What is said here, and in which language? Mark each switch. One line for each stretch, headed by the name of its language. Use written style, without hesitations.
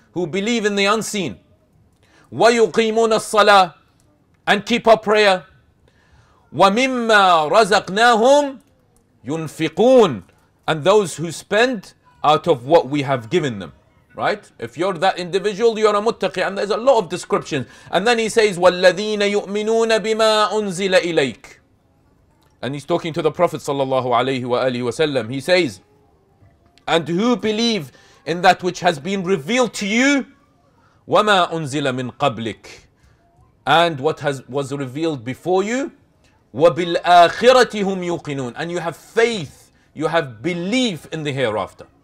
English: Who believe in the unseen.
Arabic: وَيُقِيمُونَ الصَّلَاةِ.
English: And keep up prayer.
Arabic: وَمِمَّا رَزَقْنَاهُمْ يُنْفِقُونَ.
English: And those who spend out of what we have given them. Right? If you're that individual, you're a muttaqi. And there's a lot of descriptions. And then he says,
Arabic: وَالَّذِينَ يُؤْمِنُونَ بِمَا أُنزِلَ إِلَيْكَ.
English: And he's talking to the Prophet sallallahu alayhi wa alihi wa sallam. He says, and who believe in that which has been revealed to you,
Arabic: وَمَا أُنزِلَ مِن قَبْلِكَ,
English: and what was revealed before you,
Arabic: وَبِالْآخِرَةِ هُمْ يُوقِنُونَ,
English: and you have faith, you have belief in the hereafter.